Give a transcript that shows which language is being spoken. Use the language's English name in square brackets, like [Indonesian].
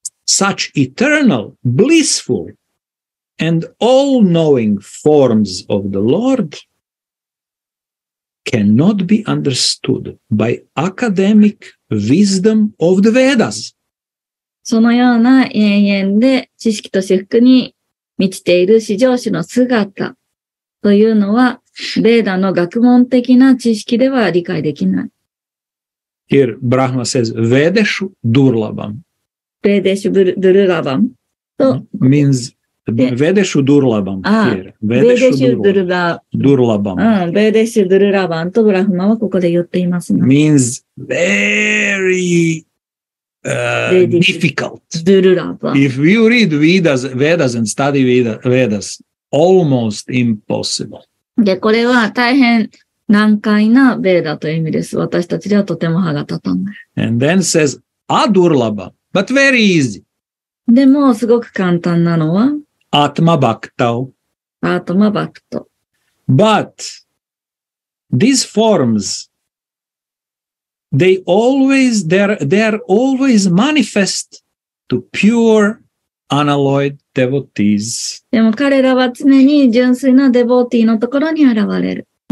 [English] such eternal, blissful, and all-knowing forms of the Lord cannot be understood by academic wisdom of the Vedas. [Japanese] そのような永遠で知識と至福に満ちている至上主の姿というのは、ベーダの学問的な知識では理解できない。 [English] Here, Brahma says, [Sanskrit] Vedeshu Durlabam. Vedeshu Durlabam. Means, Vedeshu Durlabam. Vedeshu Durlabam. Vedeshu Durlabam. [Japanese] と Brahma はここで言っています。 [English] Means, very, difficult. [Sanskrit] Durlabam. [English] If you read Vedas, Vedas and study Vedas, almost impossible. [Japanese] で、これは大変、難解なベーダという意味です。私たちではとても歯が立たない。 [English] And then says, Adurlaba, but very easy. でも、すごく簡単なのは、 [Sanskrit] Atma Bhaktao. Atma Bhakto. [English] But, these forms, they are always manifest to pure unalloyed devotees. [Japanese] でも彼らは常に純粋なデボティのところに現れる。